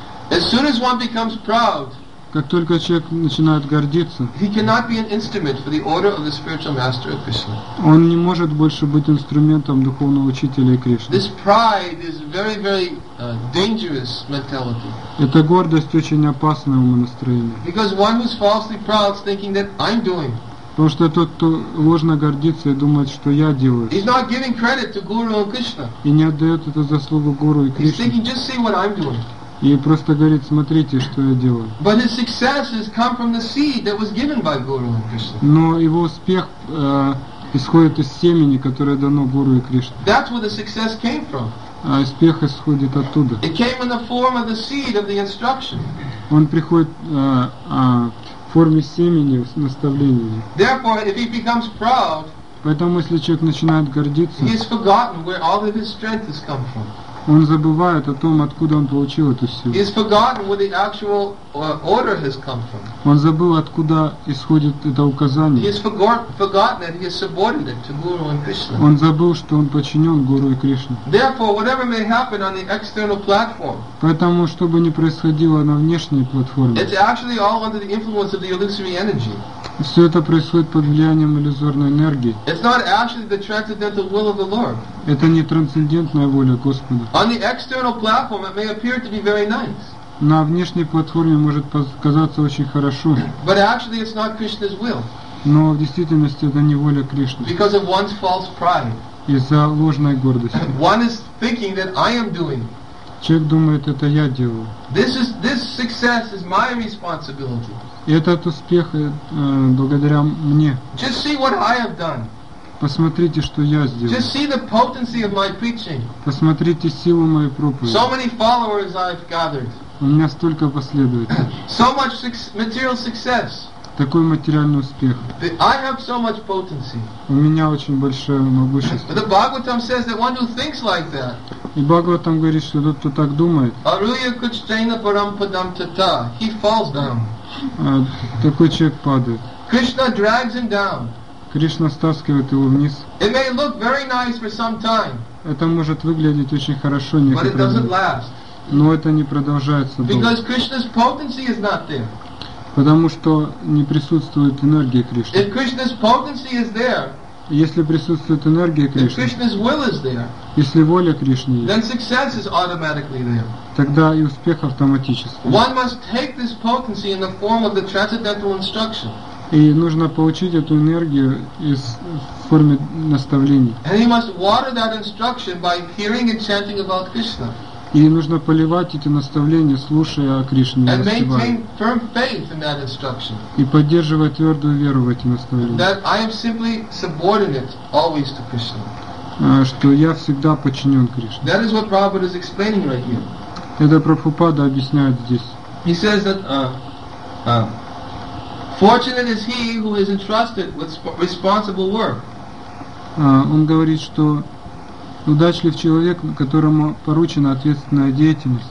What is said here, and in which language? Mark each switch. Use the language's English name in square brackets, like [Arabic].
[English] As soon as one becomes proud, [Russian] как только человек начинает гордиться, [English] he cannot be an instrument for the order of the spiritual master of Krishna. [Russian] Он не может больше быть инструментом духовного учителя и Кришны. [English] This pride is very, very dangerous mentality. [Russian] Эта гордость очень опасная умонастроение. [English] Because one who is falsely proud is thinking that I'm doing. [Russian] Потому что тот, кто ложно гордится и думает, что я делаю, [English] he's not giving credit to Guru and Krishna. [Russian] И не отдает эту заслугу Гуру и Кришне. [English] He's thinking, just see what I'm doing. [Russian] И просто говорит, смотрите, что я делаю. [English] But his success has come from the seed that was given by Guru and Krishna. [Russian] Но его успех исходит из семени, которое дано Гуру и Кришне. [English] That's where the success came from. [Russian] А успех исходит оттуда. [English] It came in the form of the seed of the instruction. [Russian] Он приходит в форме семени, в наставлении. [English] Therefore, if he becomes proud, [Russian] поэтому, если человек начинает гордиться, [English] he has forgotten where all of his strength has come from. [Russian] Он забывает о том, откуда он получил эту силу. [English] He has forgotten where the actual order has come from. [Russian] Он забыл, откуда исходит это указание. [English] He has forgotten that he is subordinate to Guru and Krishna. [Russian] Он забыл, что он подчинен Гуру и Кришне. [English] Therefore, whatever may happen on the external platform, [Russian] поэтому, что бы ни происходило на внешней платформе, [English] it's actually all under the influence of the illusory energy. [Russian] Все это происходит под влиянием иллюзорной энергии. [English] It's not actually the transcendental will of the Lord. [Russian] Это не трансцендентная воля Господа. [English] On the external platform, it may appear to be very nice. [Russian] На внешней платформе может показаться очень хорошо. [English] But actually, it's not Krishna's will. [Russian] Но в действительности это не воля Кришны. [English] Because of one's false pride. [Russian] Из-за ложной гордости. [English] One is thinking that I am doing. [Russian] Человек думает, это я делаю. [English] This success is my responsibility. [Russian] Этот успех благодаря мне. [English] Just see what I have done. [Russian] Посмотрите, что я сделал. [English] Just see the potency of my preaching. [Russian] Посмотрите силу моей проповеди. [English] So many followers I've gathered. [Russian] У меня столько последователей. [English] So much material success. [Russian] Такой материальный успех. [English] I have so much potency. [Russian] У меня очень большое могущество. [English] The Bhagavatam says that one who thinks like that. [Russian] И Бхагаватам говорит, что тот, кто так думает. [Sanskrit] Aruya kuchchena param padam tata. [English] He falls down. [Russian] Такой человек падает. [English] Krishna drags him down. [Russian] Кришна стаскивает его вниз. [English] It may look very nice for some time. [Russian] Это может выглядеть очень хорошо некоторое время. [English] But it doesn't last. [Russian] Но это не продолжается долго. [English] Because Krishna's potency is not there. [Russian] Потому что не присутствует энергия Кришны. [English] If Krishna's potency is there. [Russian] Если присутствует энергия Кришны, [English] Krishna's will is there, [Russian] если воля Кришны есть, [English] then success is automatically there. [Russian] Тогда и успех автоматически. [English] One must take this potency in the form of the transcendental instruction. [Russian] И нужно получить эту энергию из формы наставлений. [English] And he must water that instruction by hearing and chanting about Krishna. [Russian] И нужно поливать эти наставления, слушая о Кришне. [English] And maintain firm faith in that instruction. [Russian] И поддерживать твердую веру в эти наставления. [English] That I am simply subordinate always to Krishna. [Russian] Что я всегда подчинен Кришне. [English] That is what Prabhupada is explaining right here. [Russian] Это Прабхупада объясняет здесь. [English] He says that fortunate is he who is entrusted with responsible work. [Russian] Он говорит, что удачлив человек, которому поручена ответственная деятельность.